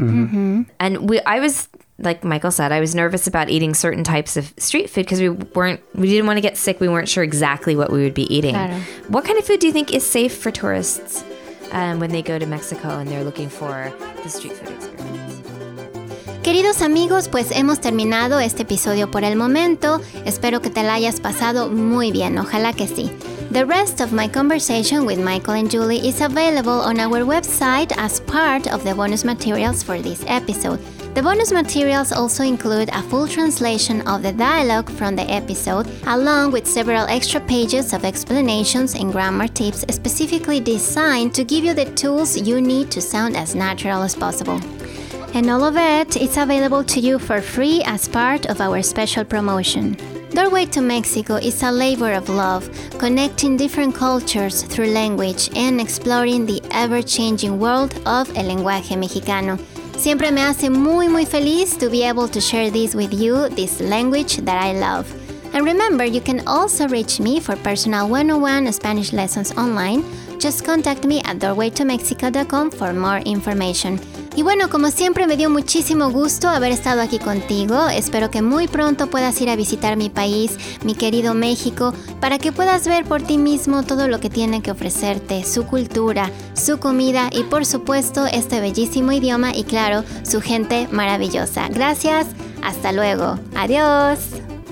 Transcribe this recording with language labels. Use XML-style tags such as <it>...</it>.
<en>And I was, like Michael said, I was nervous about eating certain types of street food because we didn't want to get sick. We weren't sure exactly what we would be eating. What kind of food do you think is safe for tourists when they go to Mexico and they're looking for the street food experience?</en> <es>Queridos amigos, pues hemos terminado este episodio por el momento. Espero que te la hayas pasado muy bien, ojalá que sí.</es> <en>The rest of my conversation with Michael and Julie is available on our website as part of the bonus materials for this episode. The bonus materials also include a full translation of the dialogue from the episode, along with several extra pages of explanations and grammar tips specifically designed to give you the tools you need to sound as natural as possible. And all of it is available to you for free as part of our special promotion. Doorway to Mexico is a labor of love, connecting different cultures through language and exploring the ever-changing world of el lenguaje mexicano. Siempre me hace muy, muy feliz to be able to share this with you, this language that I love. And remember, you can also reach me for personal 101 Spanish lessons online. Just contact me at doorwaytomexico.com for more information.</en> <es>Y bueno, como siempre, me dio muchísimo gusto haber estado aquí contigo. Espero que muy pronto puedas ir a visitar mi país, mi querido México, para que puedas ver por ti mismo todo lo que tiene que ofrecerte, su cultura, su comida y, por supuesto, este bellísimo idioma y, claro, su gente maravillosa. Gracias, hasta luego. Adiós.</es>